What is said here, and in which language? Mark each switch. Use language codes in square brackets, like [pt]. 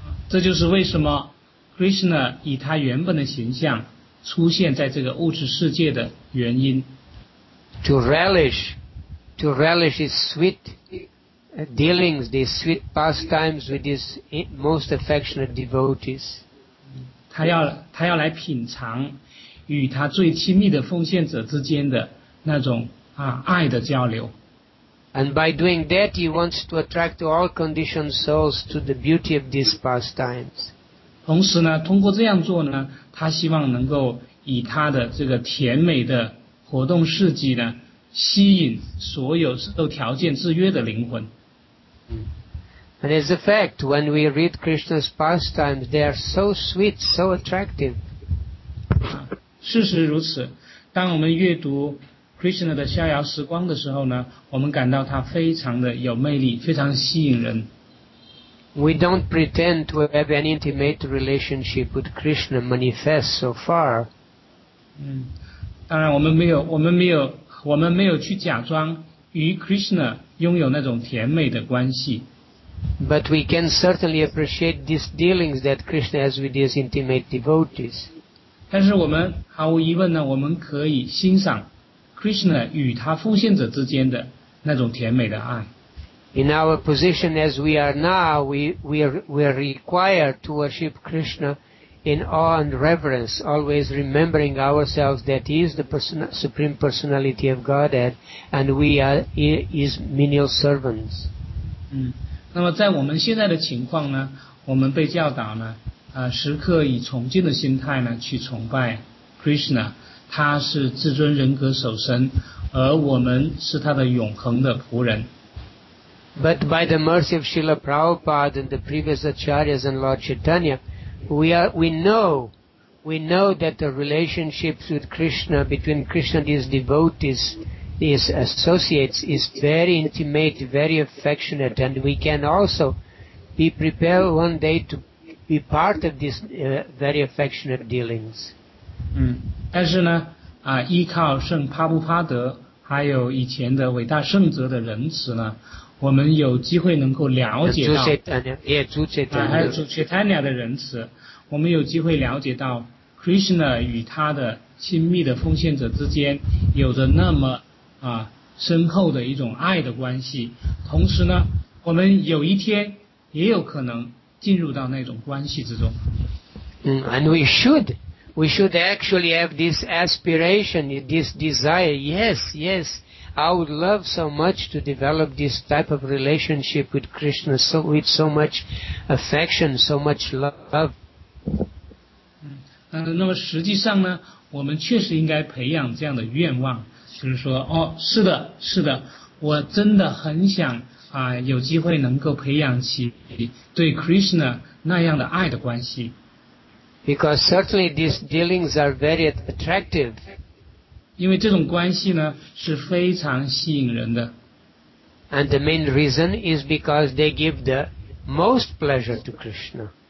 [zh] 这就是为什么 Krishna 以他原本的形象出现在这个物质世界的原因。 [en] To relish his sweet dealings, these sweet pastimes with his most affectionate devotees. [zh] 他要来品尝与他最亲密的奉献者之间的那种爱的交流。 [en] And by doing that, he wants to attract all conditioned souls to the beauty of these pastimes. [zh] 同时呢通过这样做呢他希望能够以他的这个甜美的活动事迹呢吸引所有受条件制约的灵魂。 [en] And as a fact, when we read Krishna's pastimes, they are so sweet, so attractive. [zh] 事实如此，当我们阅读 Krishna 的逍遥时光的时候呢，我们感到他非常的有魅力，非常吸引人。 [en] We don't pretend to have an intimate relationship with Krishna manifest so far. [zh] 当然我们没有去假装与 Krishna 拥有那种甜美的关系。 [en] But we can certainly appreciate these dealings that Krishna has with his intimate devotees. [zh] 但是我们毫无疑问呢，我们可以欣赏 Krishna 与他复现者之间的那种甜美的爱。 [en] In our position as we are now, we are required to worship Krishna in awe and reverence, always remembering ourselves that he is the Supreme Personality of Godhead and we are his menial servants. [zh] 那么在我们现在的情况呢，我们被教导呢，时刻以崇敬的心态呢去崇拜 Krishna， 他是至尊人格首身，而我们是他的永恒的仆人。 [en] But by the mercy of Srila Prabhupada and the previous Acharyas and Lord Chaitanya, we know that the relationships with Krishna, between Krishna and his devotees, his associates, is very intimate, very affectionate, and we can also be prepared one day to be part of these very affectionate dealings. [zh] 但是呢，依靠圣帕布帕德还有以前的伟大圣哲的仁慈呢，我们有机会能够了解到，还有主 Chaitanya 的仁慈，我们有机会了解到 Krishna 与他的亲密的奉献者之间有着那么深厚的一种爱的关系。同时呢，我们有一天也有可能进入到那种关系之中。 [en] And we should actually have this aspiration, this desire. Yes, yes. I would love so much to develop this type of relationship with Krishna, so with so much affection, so much love. [zh] 那么实际上呢，我们确实应该培养这样的愿望，就是说，哦，是的，是的，我真的很想有机会能够培养起对 Krishna 那样的爱的关系。 [en] Because certainly these dealings are very attractive. [zh] 因为这种关系呢是非常吸引人的。 [en] And the main reason is because they give the most pleasure to Krishna.